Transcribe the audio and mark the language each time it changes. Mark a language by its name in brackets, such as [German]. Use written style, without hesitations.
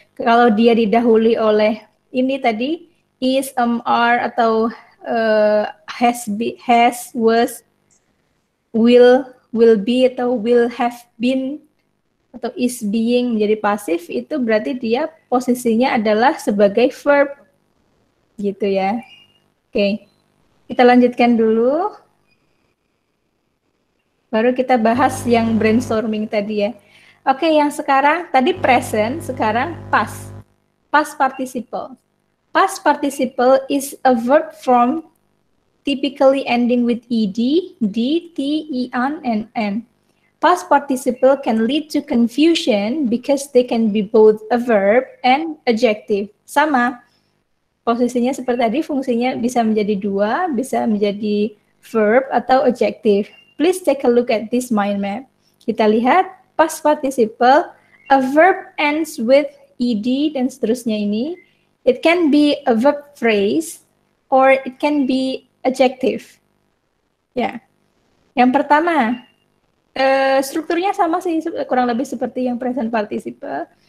[Indonesian] Kalau dia didahului oleh ini tadi, is, are, atau has, was, will be, atau will have been, atau is being, jadi pasif, itu berarti dia posisinya adalah sebagai verb. Gitu ya. Oke, kita lanjutkan dulu. Baru kita bahas yang brainstorming tadi ya. Oke, yang sekarang, tadi present, sekarang past. [English] Past participle. Past participle is a verb form typically ending with ed, d, t, e, an, and n. Past participle can lead to confusion because they can be both a verb and adjective. [Indonesian] Sama, posisinya seperti tadi, fungsinya bisa menjadi dua, bisa menjadi verb atau adjective. [English] Please take a look at this mind map. [Indonesian] Kita lihat past participle, [English] a verb ends with ed [Indonesian] dan seterusnya ini. [English] It can be a verb phrase or it can be adjective. Ya. [Indonesian] Yang pertama, strukturnya sama sih, kurang lebih seperti yang present participle.